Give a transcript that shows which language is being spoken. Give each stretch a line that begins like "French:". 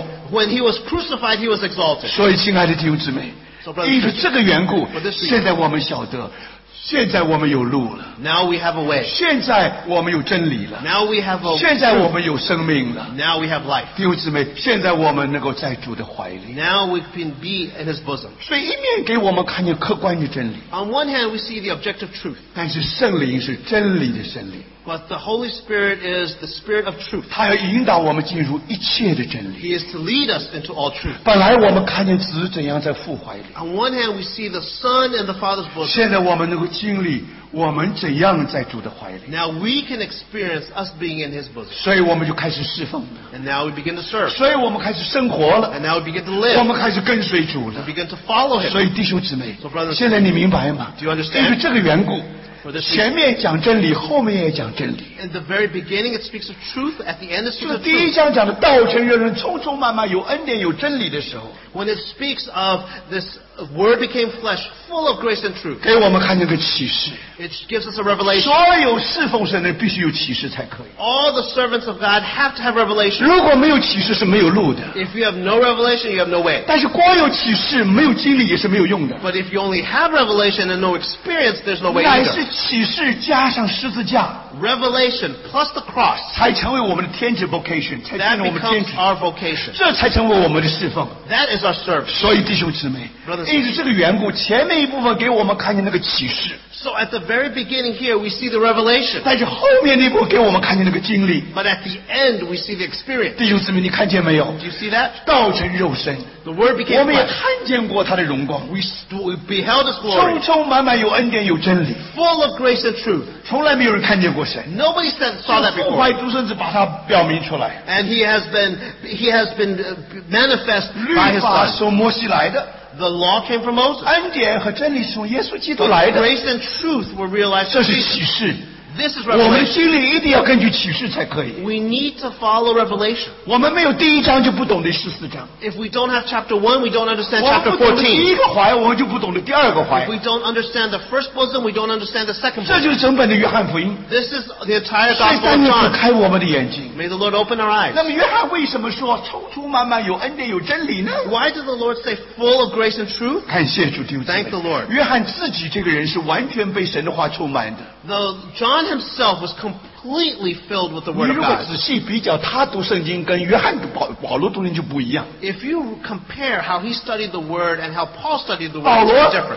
English: When he was crucified, he was exalted.
Chinese: 所以亲爱的弟兄姊妹,
English: so, brother,
Chinese: 这个缘故, 现在我们晓得, 现在我们有路了,
English: now we have a way.
Chinese: 现在我们有真理了,
English: now we have a
Chinese: 现在我们有生命了,
English: now we have life.
Chinese: 弟兄姊妹, 现在我们能够在主的怀里,
English: now we can be in his bosom.
Chinese: 所以一面给我们看见客观的真理,
English: on one hand, we see the objective truth.
Chinese: 但是圣灵是真理的圣灵,
English: but the Holy Spirit is the Spirit of truth.
Chinese: 祂要引导我们进入一切的真理,
English: he is to lead us into all truth.
Chinese: 本来我们看见子怎样在父怀里,
English: on one hand we see the Son and the Father's bosom.
Chinese: 现在我们能够经历我们怎样在主的怀里,
English: now we can experience us being in his bosom.
Chinese: 所以我们就开始侍奉,
English: and now we begin to serve.
Chinese: 所以我们开始生活了,
English: and now we begin to live.
Chinese: 我们开始跟随主了,
English: we begin to follow him.
Chinese: 所以弟兄姊妹,
English: so brothers,
Chinese: 现在你明白吗?
English: Do you understand?
Chinese: 就是这个缘故, 前面讲真理, 后面也讲真理,
English: in the very beginning it speaks of truth, at the end it speaks of truth.
Chinese: 第一章讲的道成肉身, 匆匆忙忙, 有恩典, 有真理的时候,
English: when it speaks of this word became flesh full of grace and truth,
Chinese: 给我们看见个启示,
English: it gives us a revelation.
Chinese: 所有侍奉神的必须有启示才可以,
English: all the servants of God have to have revelation.
Chinese: 如果没有启示是没有路的,
English: if you have no revelation you have no way.
Chinese: 但是光有启示, 没有经历也是没有用的,
English: but if you only have revelation and no experience there's no way either.
Chinese: 乃是启示加上十字架,
English: revelation plus the cross,
Chinese: 才成为我们的天职 vocation, 才成为我们的天职。这才成为我们的侍奉。
English: That is our service.
Chinese: 所以弟兄姊妹, 因着这个缘故, 前面一部分给我们看见那个启示,
English: so at the very beginning here we see the revelation.
Chinese: 但是后面那部分给我们看见那个经历,
English: but at the end we see the experience.
Chinese: 弟兄姊妹, 你看见没有?
English: Do you see that?
Chinese: 道成肉身,
English: the word became flesh.
Chinese: 我们也看见过他的荣光,
English: we beheld his glory.
Chinese: 匆匆满满有恩典, 有真理,
English: full of grace and truth.
Chinese: 从来没有人看见过神,
English: nobody said, saw that before.
Chinese: 父怀独生子把他表明出来,
English: and he has been manifest by his son.
Chinese: 律法从摩西来的,
English: the law came from Moses.
Chinese: 恩典和真理是从耶稣基督来的,
English: grace and truth were realized.
Chinese: 这是启示,
English: this is revelation.
Chinese: 我们心里一定要根据启示才可以,
English: we need to follow revelation.
Chinese: 我们没有第一章就不懂得十四章,
English: if we don't have chapter 1 we don't understand chapter 14.
Chinese: 我们不懂得第一个怀, 我们就不懂得第二个怀,
English: if we don't understand the first bosom we don't understand the second bosom.
Chinese: 这就是整本的约翰福音,
English: this is the entire gospel of John. May the Lord open our eyes.
Chinese: 那么约翰为什么说, 匆匆忙忙有恩典有真理呢?
English: Why did the Lord say full of grace and truth?
Chinese: 感谢主弟兄姊妹,
English: thank the Lord.
Chinese: 约翰自己这个人是完全被神的话充满的,
English: John himself was completely filled with the word of God.
Chinese: 你如果仔细比较他读圣经跟约翰保罗读圣经就不一样,
English: if you compare how he studied the word and how Paul studied the word, it's different.